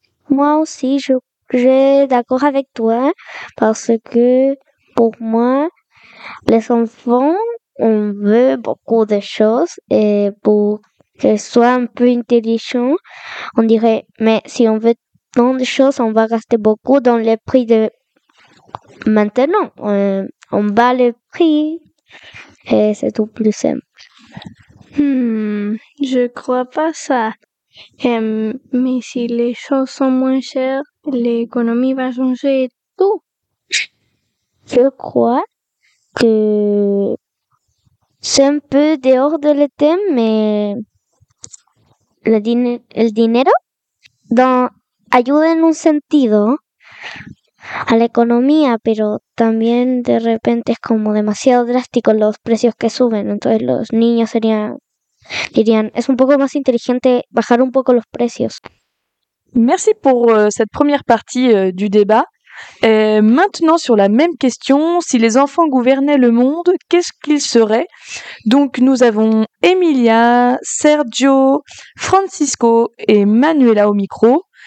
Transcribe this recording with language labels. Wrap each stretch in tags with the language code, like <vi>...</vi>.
<fr>Moi aussi, je suis d'accord avec toi, parce que pour moi, les enfants, on veut beaucoup de choses et pour qu'elle soit un peu intelligente, on dirait, mais si on veut tant de choses, on va gaster beaucoup dans les prix de maintenant. On bat les prix et c'est tout plus simple. Je crois pas ça. Mais si les choses sont moins chères, l'économie va changer et tout. Je crois que c'est un peu dehors de le thème, mais</fr> <es>el dinero ayuda en un sentido a la economía, pero también de repente es como demasiado drástico los precios que suben. Entonces los niños dirían, es un poco más inteligente bajar un poco los precios.</es> <fr>Merci pour cette première partie du débat. Maintenant, sur la même question, si les enfants gouvernaient le monde, qu'est-ce qu'ils seraient ? Donc, nous avons Emilia, Sergio, Francisco et Manuela au micro.</fr>